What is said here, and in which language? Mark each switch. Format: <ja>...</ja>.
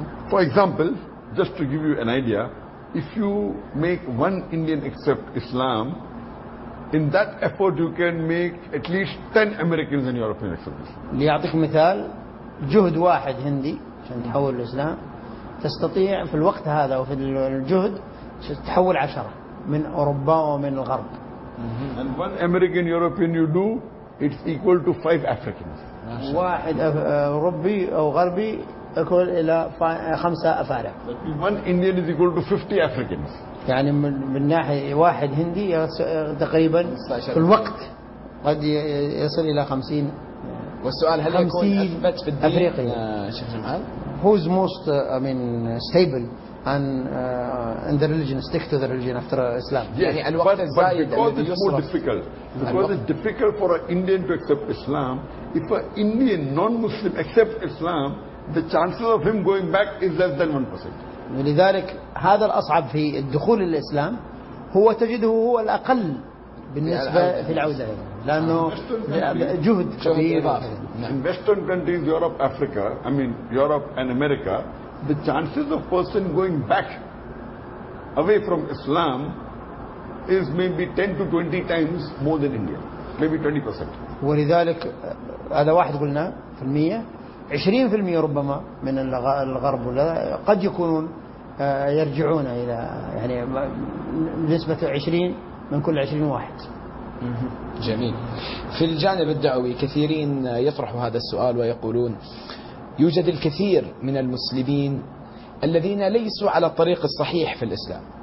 <en>For example, just to give you an idea, if you make one Indian accept Islam, in that effort you can make at least 10 Americans and Europeans accept Islam.</en> <ar>ليعطيكم مثال, جهد واحد هندي عشان تحول الإسلام تستطيع في الوقت هذا وفي الجهد تحول عشرة من أوروبا ومن الغرب.</ar> <en>And one American European you do, it's equal to 5 Africans.</en> <ar>واحد أوروبي أو غربي يكون إلى خمسة أفارقة.</ar> <en>One Indian is equal to 50 Africans.</en> <ar>يعني من ناحية واحد هندي تقريبا في الوقت قد يصل إلى 50. والسؤال هل يكون أثبت في الدين؟ أفريقيا.</ar> <en>Who's most, I mean, stable and in the religion, stick to the religion after Islam?</en> <ar>يعني الوقت الزايد.</ar> <en>But because it's more difficult. Because it's difficult for an Indian to accept Islam. If an Indian non-Muslim accepts Islam, the chances of him going back is less than 1%.</en> <ar>لذلك هذا الأصعب في الدخول الإسلام هو تجده هو الأقل بالنسبة في العودة, لأنه جهد كبير.</ar> <en>In Western countries, Europe, Africa, I mean Europe and America, the chances of person going back away from Islam is maybe 10 to 20 times more than India, maybe 20%.</en> <ar>ولذلك هذا واحد قلنا في المية, 20% ربما من الغرب قد يكونون يرجعون إلى, يعني نسبة 20 من كل 20 واحد. جميل. في الجانب الدعوي كثيرين يطرحوا هذا السؤال ويقولون يوجد الكثير من المسلمين الذين ليسوا على الطريق الصحيح في الإسلام.</ar>